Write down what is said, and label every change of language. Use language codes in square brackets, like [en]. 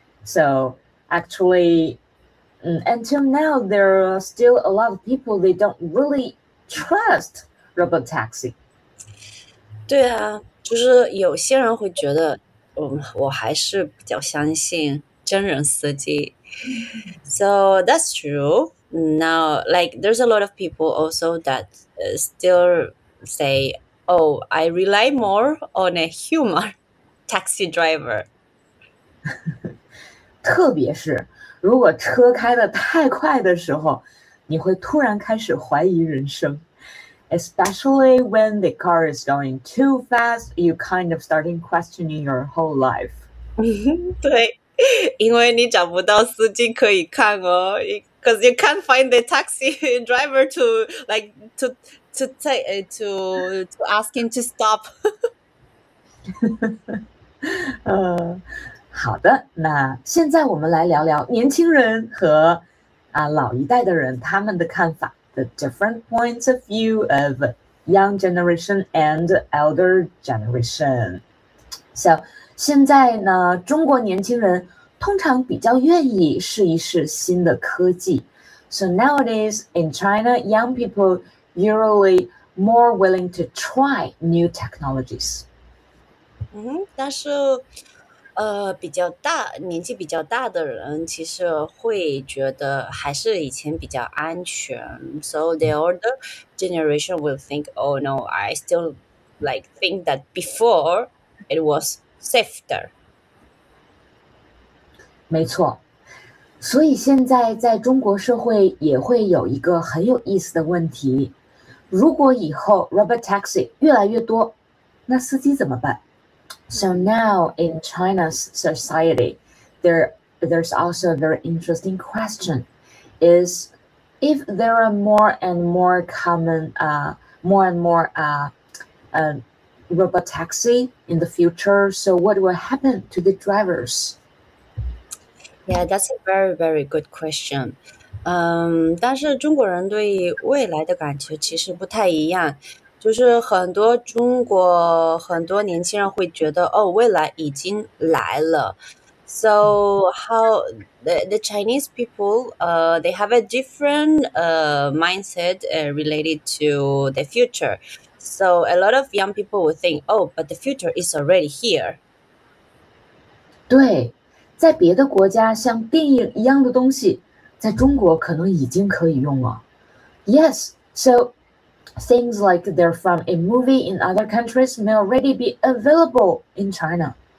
[en] So actually, until now, there are still a lot of people they don't really trust robot taxi. [zh] 对啊，就是有些人会觉得，我还是比较相信真人司机。 [en] So that's true. Now, like, there's a lot of people also that still say, "Oh, I rely more on a human taxi driver." [zh] 特别是如果车开得太快的时候，你会突然开始怀疑人生。 [en] Especially when the car is going too fast, you kind of starting questioning your whole life. [zh] 对，因为你找不到司机可以看哦， [en] because you can't find the taxi driver to ask him to stop. [zh] 好的，那现在我们来聊聊年轻人和老一代的人他们的看法， [en] the different points of view of young generation and elder generation。 [zh] So，现在呢，中国年轻人通常比较愿意试一试新的科技。 [en] So nowadays in China, young people usually more willing to try new technologies。 [zh] 但是，比较大，年纪比较大的人，其实会觉得还是以前比较安全。 [en] So the older generation will think, "Oh no, I still like think that before it was safer." [zh] 没错，所以现在在中国社会也会有一个很有意思的问题：如果以后 robot taxi 越来越多，那司机怎么办？ [en] So now in China's society, there's also a very interesting question: is if there are more and more common, more and more robot taxi in the future, so what will happen to the drivers? Yeah, that's a very, very good question. [zh] 但是中国人对未来的感觉其实不太一样。就是很多中国很多年轻人会觉得，哦，未来已经来了。 [en] So how the Chinese people, they have a different mindset related to the future. So a lot of young people will think, oh, but the future is already here. [zh] 对，在别的国家，像电影一样的东西，在中国可能已经可以用了。 [en] Yes, so things like they're from a movie in other countries may already be available in China.